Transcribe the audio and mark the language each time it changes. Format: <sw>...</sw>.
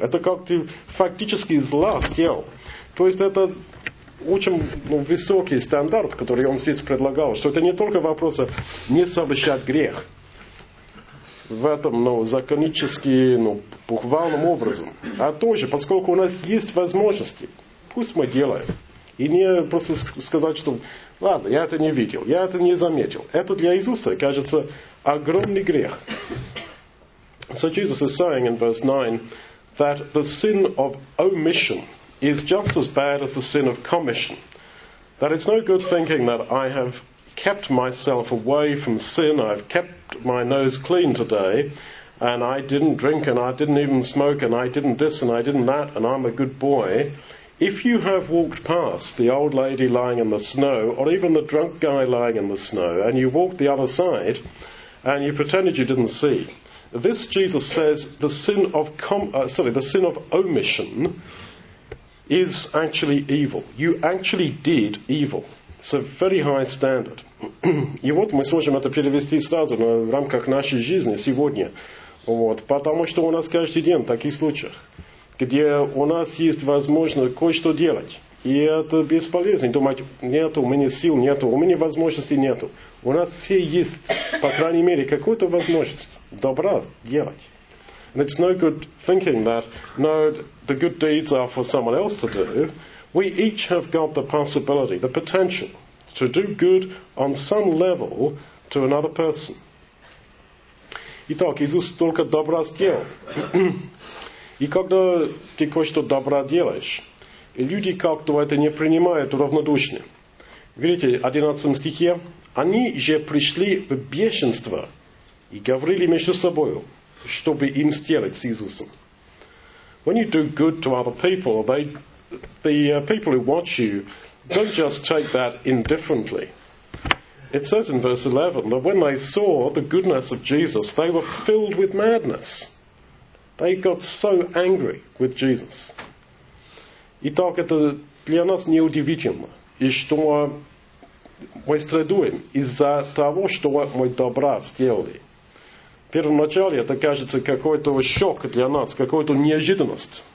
<ru>Это как ты фактически зла сделал. То есть это очень, ну, высокий стандарт, который он здесь предлагал, что это не только вопрос не совершать грех в этом, ну, законически, ну, буквальным образом, а тоже, поскольку у нас есть возможности, пусть мы делаем. И не просто сказать, что ладно, я это не видел, я это не заметил. Это для Иисуса, кажется, огромный грех.</ru> <en>So Jesus is saying in verse 9 that the sin of omission is just as bad as the sin of commission. That it's no good thinking that I have kept myself away from sin, I've kept my nose clean today, and I didn't drink and I didn't even smoke and I didn't this and I didn't that and I'm a good boy. If you have walked past the old lady lying in the snow, or even the drunk guy lying in the snow, and you walked the other side, and you pretended you didn't see. This, Jesus says, the sin of omission is actually evil. You actually did evil. It's a very high standard.</en> <ru>И вот мы сможем это перевести сразу в рамках нашей жизни сегодня. Вот. Потому что у нас каждый день в таких случаях, где у нас есть возможность кое-что делать. И это бесполезно. Думать, нет, у меня сил нет, у меня возможностей нет. У нас все есть, по крайней мере, какую-то возможность добра делать.</ru> <en>And it's no good thinking that, no, the good deeds are for someone else to do. We each have got the possibility, the potential to do good on some level to another person.</en> <ru>Итак, Иисус только добра сделал. И когда ты кое-что добра делаешь, люди как-то это не принимают равнодушно. Видите, в 11 стихе, они же пришли в бешенство и говорили между собой, чтобы им сделать с Иисусом.</ru> <en>When you do good to other people, the people who watch you don't just take that indifferently. It says in verse 11 that when they saw the goodness of Jesus, they were filled with madness. They got so angry with Jesus.</en> <ru>Итак, это для нас неудивительно, и что мы страдуем из-за того, что мы добра сделали. В первом начале это кажется какой-то шок для нас, какой-то неожиданность.</ru>